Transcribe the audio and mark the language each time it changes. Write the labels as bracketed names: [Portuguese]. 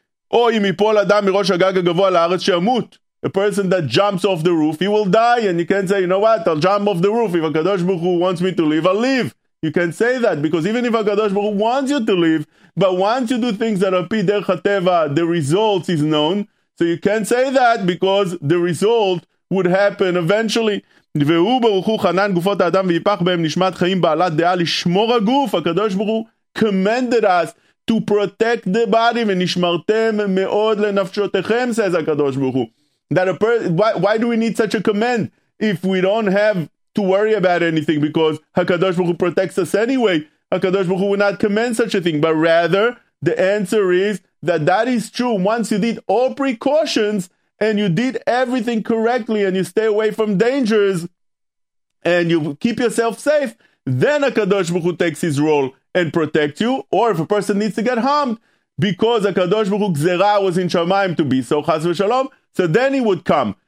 [Hebrew] או אם יפול אדם מראש הגג הגבוה לארץ שימות, [English] a person that jumps off the roof, he will die, and you can't say, you know what, I'll jump off the roof, if HaKadosh Baruch Hu wants me to live, I'll live. You can't say that, because even if HaKadosh Baruch Hu wants you to live, but once you do things that are pi derech hateva, the result is known, so you can't say that, because the result would happen eventually. [Hebrew] והוא ברוך הוא חנן גופות האדם ויפח בהם נשמת חיים בעלת דעה לשמור הגוף, [English] HaKadosh Baruch Hu commanded us, to protect the body, [Hebrew] ונשמרתם מאוד לנפשותיכם, says הקדוש ברוך הוא. [English] That a person, why do we need such a command? If we don't have to worry about anything, because הקדוש ברוך הוא protects us anyway, הקדוש ברוך הוא will not command such a thing. But rather, the answer is that is true. Once you did all precautions, and you did everything correctly, and you stay away from dangers, and you keep yourself safe, then הקדוש ברוך הוא takes his role and protect you, or if a person needs to get harmed, because HaKadosh Baruch Hu gzera was in Shamayim to be, so chas v'shalom, so then he would come.